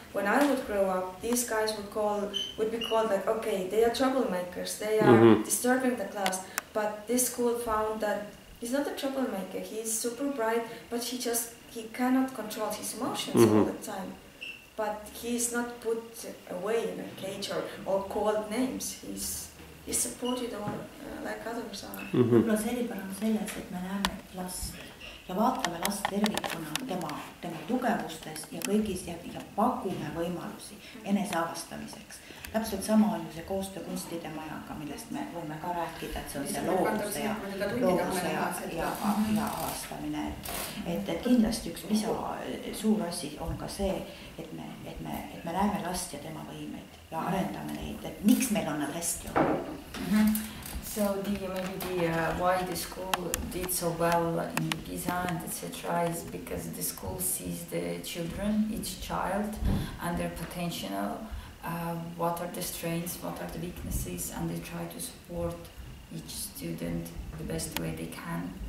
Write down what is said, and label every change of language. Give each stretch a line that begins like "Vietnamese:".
English: When I would grow up, these guys would be called like, okay, they are troublemakers, they are disturbing the class. But this school found that he's not a troublemaker, he's super bright, but he cannot control his emotions all the time. But he's not put away in a cage or called names. He's supported all like others are.
Estonian: Võib-olla selline on selles, et me näeme last ja vaatame last tervikuna tema tugevustes ja kõigis ja pakume võimalusi eneseavastamiseks. Täpselt sama on ju see koostöö kunstide majaga, millest me võime ka rääkida, et see on see looduse ja avastamine. Et kindlasti üks lisa suur asi on ka see, et me näeme last ja tema võimeid ja arendame neid, et miks meil on nad hästi olnud.
English: So why the school did so well in design, etc., is because the school sees the children, each child, and their potential. What are the strengths, what are the weaknesses, and they try to support each student the best way they can.